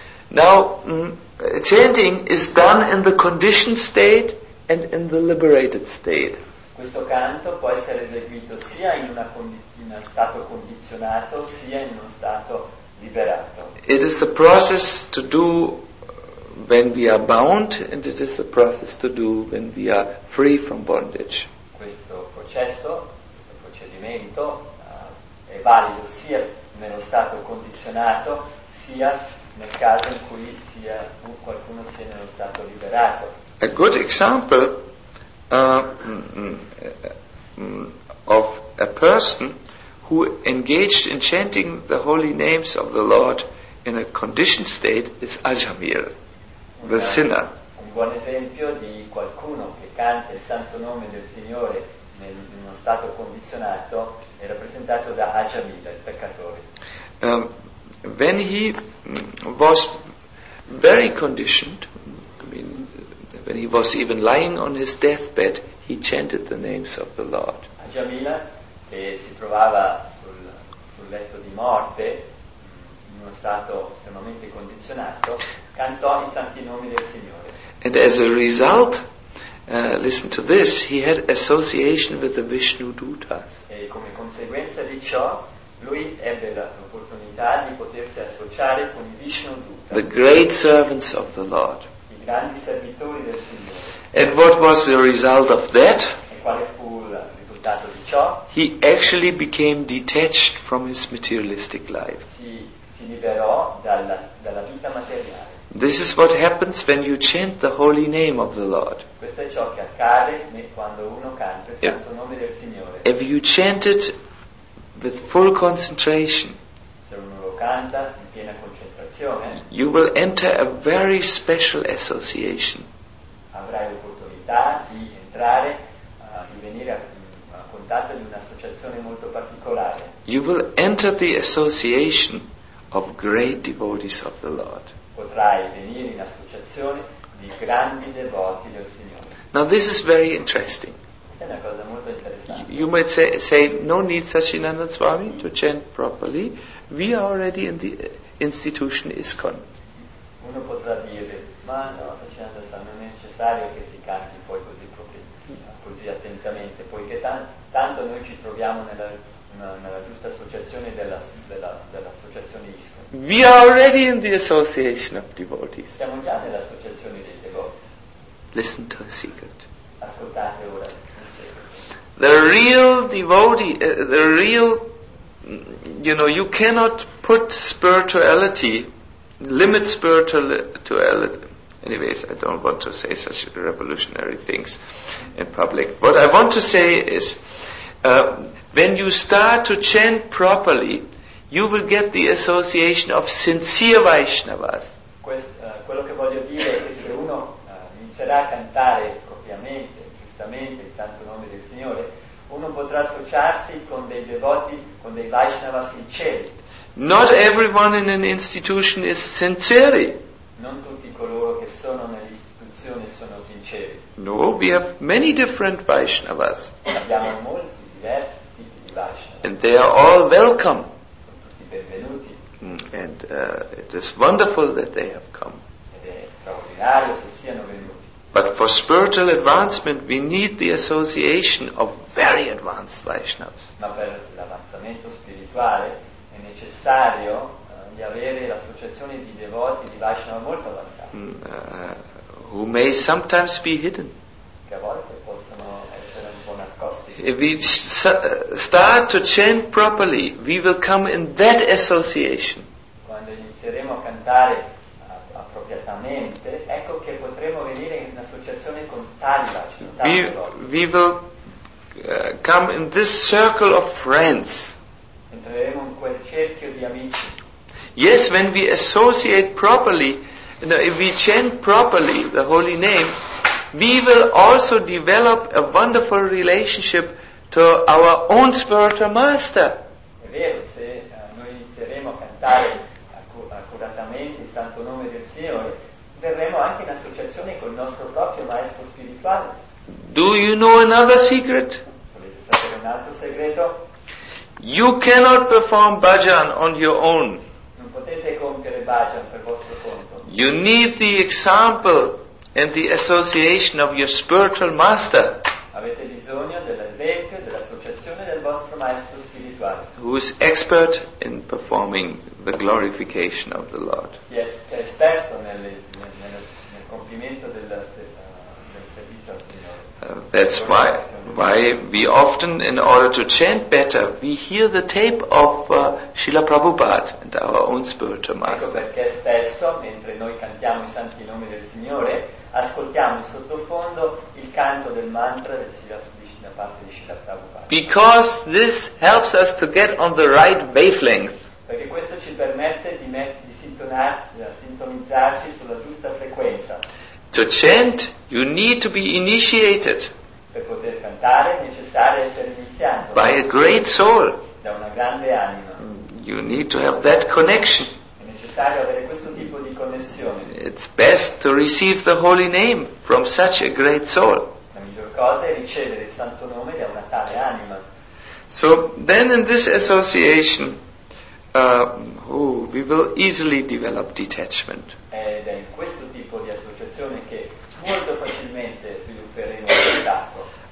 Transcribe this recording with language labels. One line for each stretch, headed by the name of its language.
English: Now, chanting is done in the conditioned state and in the liberated state.
Italian: Questo canto può essere eseguito sia in uno stato condizionato, sia in uno stato liberato.
English: It is the process to do when we are bound, and it is the process to do when we are free from bondage.
Italian: Questo processo, questo procedimento, è valido sia nello stato condizionato, sia nel caso in cui sia qualcuno sia nello stato liberato.
English: A good example of a person who engaged in chanting the holy names of the Lord in a conditioned state is Ajamir, the sinner.
Italian: Un buon esempio di qualcuno che canta il santo nome del Signore nel, in uno stato condizionato è rappresentato da Ajamir, il peccatore.
English: When he was very conditioned, when he was even lying on his deathbed, he chanted the names of the Lord.
Italian: Ajamila, che si trovava sul letto di morte, in uno stato estremamente condizionato, cantò i santi nomi del Signore.
English: And as a result, listen to this, he had association with the Vishnu Dutas.
Italian: E come conseguenza di ciò, lui ebbe l'opportunità di potersi associare con i Vishnu Dutas.
English: The great servants of the Lord.
Italian: Grandi servitori del Signore.
English: And what was the result of that?
Italian: E quale fu il risultato di ciò?
English: He actually became detached from his materialistic life.
Italian: Si liberò dalla vita materiale.
English: This is what happens when you chant the holy name of the Lord.
Italian: Questo è ciò che accade quando uno canta il santo nome del Signore.
English: If you chant it with full concentration,
Italian: se uno lo canta in piena concentrazione,
English: you will enter a very special association.
Italian: Avrai l'opportunità di entrare, di venire a contatto di un'associazione molto particolare.
English: You will enter the association of great devotees of the Lord.
Italian: Potrai venire in associazione di grandi devoti del Signore.
English: Now this is very interesting.
Italian: È una cosa molto interessante.
English: You might say no need Sachinanda Swami to chant properly. We are already in the institution ISKCON.
Italian: Uno potrà dire, ma no, Sachinanda Swami, non è necessario che si canti poi così così attentamente, poiché tanto noi ci troviamo nella giusta associazione dell'associazione ISKCON.
English: We are already in the association of devotees.
Italian: Siamo già nell'associazione dei devoti.
English: Listen to a secret.
Italian: Ascoltate ora.
English: The real devotee, the real, you know, you cannot put spirituality, limit spirituality, anyways, I don't want to say such revolutionary things in public. What I want to say is, when you start to chant properly, you will get the association of sincere Vaishnavas.
Italian: Quello che voglio dire è che se uno inizierà a cantare propriamente, giustamente, il santo nome del Signore, uno potrà associarsi con dei devoti, con dei Vaishnava sinceri.
English: Not everyone in an institution is sincere.
Italian: Non tutti coloro che sono nell'istituzione sono sinceri.
English: No, we have many different Vaishnavas.
Italian: Abbiamo molti diversi tipi di Vaishnava.
English: And they are all welcome.
Italian: Sono tutti benvenuti.
English: And it is wonderful that they have come.
Italian: Ed è straordinario che siano venuti.
English: But for spiritual advancement, we need the association of very advanced Vaishnavas.
Italian: Ma per l'avanzamento spirituale è necessario di avere l'associazione di devoti di Vaishnava molto avanzati.
English: Who may sometimes be hidden.
Italian: Che a volte possono essere un po' nascosti.
English: If we start to chant properly, we will come in that association.
Italian: Quando inizieremo a cantare appropriatamente, ecco che potremo venire in associazione con tali Vaishnava.
English: We will come in this circle of friends.
Italian: Entreremo in quel cerchio di amici.
English: Yes, when we associate properly, if we chant properly the holy name, we will also develop a wonderful relationship to our own spiritual master.
Italian: È vero, se noi inizieremo a cantare accuratamente il santo nome del Signore, verremo anche in associazione col nostro proprio maestro spirituale.
English: Do you know another secret?
Italian: Volete sapere un altro segreto?
English: You cannot perform bhajan on your own.
Italian: Non potete compiere bhajan per vostro conto.
English: You need the example and the association of your spiritual master.
Italian: Avete bisogno dell'esempio, dell'associazione del vostro maestro spirituale.
English: Who is expert in performing the glorification of the Lord.
Italian: Chi è esperto nel compimento del servizio al Signore.
English: That's why we often, in order to chant better, we hear the tape of Srila Prabhupada and our own spiritual master.
Italian: Ecco perché spesso, mentre noi cantiamo i santi nomi del Signore, ascoltiamo in sottofondo il canto del mantra da parte di Srila Prabhupada.
English: Because this helps us to get on the right wavelength.
Italian: Perché questo ci permette di sintonizzarci sulla giusta frequenza.
English: To chant, you need to be initiated.
Italian: Per poter cantare, è necessario essere iniziato.
English: By a great soul.
Italian: Da una grande anima.
English: You need to have that connection.
Italian: È necessario avere questo tipo di connessione.
English: It's best to receive the holy name from such a great soul.
Italian: La miglior cosa è ricevere il santo nome da una tale anima.
English: So then, in this association, we will easily develop detachment.
Italian: Ed è in questo tipo di associazione che molto facilmente svilupperemo il contatto.